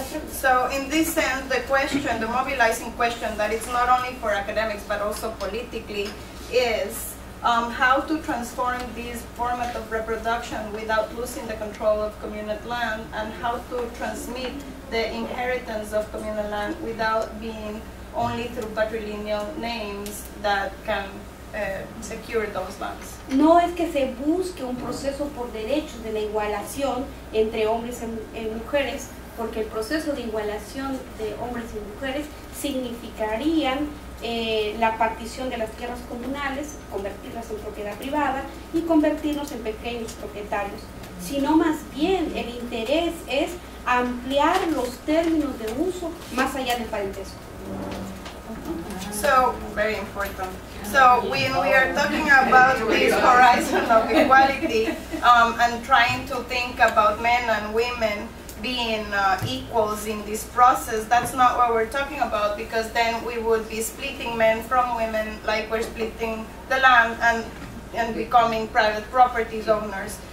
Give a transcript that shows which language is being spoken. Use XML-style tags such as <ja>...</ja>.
<en>So in this sense, the question, the mobilizing question that it's not only for academics but also politically is how to transform this format of reproduction without losing the control of communal land, and how to transmit the inheritance of communal land without being only through patrilineal names that can secure those lands.</en> <es>No es que se busque un proceso por derechos de la igualación entre hombres y mujeres, porque el proceso de igualación de hombres y mujeres significarían la partición de las tierras comunales, convertirlas en propiedad privada y convertirnos en pequeños propietarios, sino más bien el interés es ampliar los términos de uso más allá del parentesco.</es> <en>So, very important. So, when we are talking about this horizon of equality and trying to think about men and women being equals in this process, that's not what we're talking about, because then we would be splitting men from women like we're splitting the land and becoming private property owners.</en>